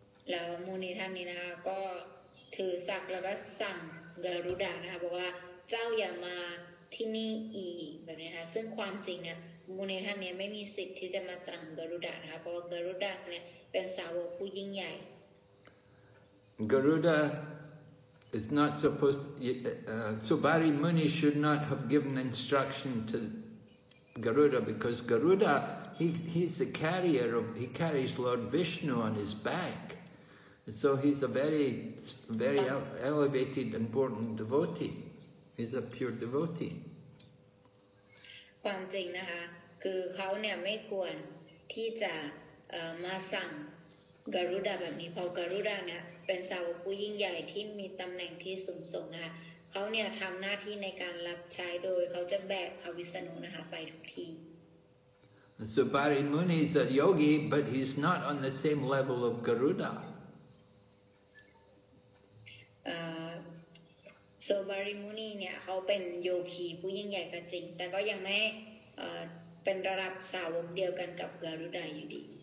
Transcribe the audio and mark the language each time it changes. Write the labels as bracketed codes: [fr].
[th] แล้วมุนีท่านนี้นะคะก็ถือสักแล้วก็สั่งกรุดานะคะบอกว่าเจ้าอย่ามาที่นี่อีกแบบนี้นะซึ่งความจริงเนี่ยมุนีท่านนี้ไม่มีสิทธิ์ที่จะมาสั่งกรุดานะคะเพราะกรุดาเนี่ยเป็นสาวกผู้ยิ่งใหญ่ [en] GarudaIt's not supposed to, Sobari Muni should not have given instruction to Garuda because Garuda, he's the carrier of, he carries Lord Vishnu on his back. So he's a very, very elevated, important devotee. He's a pure devotee. [th] ความจริงนะคะคือเขาเนี่ยไม่ควรที่จะมาสั่ง Garuda แบบนี้เพราะ Garuda เนี่ยเป็นสาวกผู้ยิ่งใหญ่ที่มีตำแหน่งที่สูงส่งนะคะเขาเนี่ยทำหน้าที่ในการรับใช้โดยเขาจะแบกพระวิษณุนะคะไปทุกที่ [en] Sobari Muni is a yogi but he's not on the same level of Garuda [th] Sobari Muni เนี่ยเขาเป็นโยคีผู้ยิ่งใหญ่ก็จริงแต่ก็ยังไม่เป็นระดับสาวกเดียวกันกับ Garuda อยู่ดี